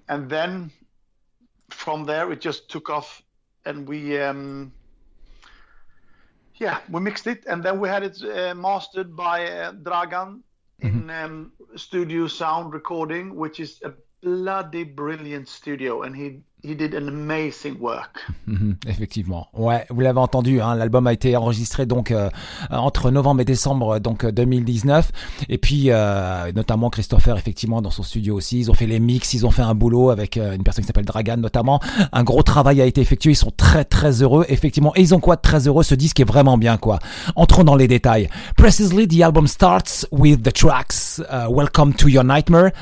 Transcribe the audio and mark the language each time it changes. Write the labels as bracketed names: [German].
[English] And then from there, it just took off, and we... we mixed it, and then we had it mastered by Dragan in Studio Sound Recording, which is a bloody brilliant studio, and he did an amazing work. [French] Effectivement. Ouais, vous l'avez entendu, hein, l'album a été enregistré donc entre novembre et décembre donc 2019, et puis notamment Christopher, effectivement, dans son studio aussi, ils ont fait les mix, ils ont fait un boulot avec une personne qui s'appelle Dragan notamment. Un gros travail a été effectué, ils sont très très heureux, effectivement, et ils ont quoi de très heureux, ce disque est vraiment bien, quoi. Entrons dans les détails. [English] Precisely, the album starts with the tracks Welcome to Your Nightmare.